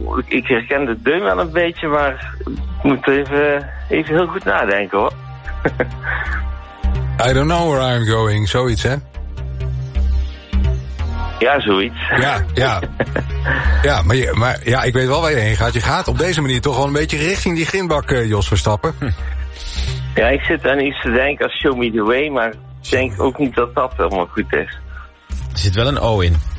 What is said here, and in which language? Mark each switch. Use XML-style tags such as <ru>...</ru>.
<nl>Ik herken de deun wel een beetje, maar ik moet even heel goed nadenken hoor.</nl> <en>I don't know where I'm going,</en> <nl>zoiets hè? Ja, zoiets. Ja, ja. Ja, maar ik weet wel waar je heen gaat. Je gaat op deze manier toch wel een beetje richting die grindbak, Jos Verstappen. Ja, ik zit aan iets te denken als Show Me The Way, maar ik denk ook niet dat dat helemaal goed is. Er zit wel een O in.</nl>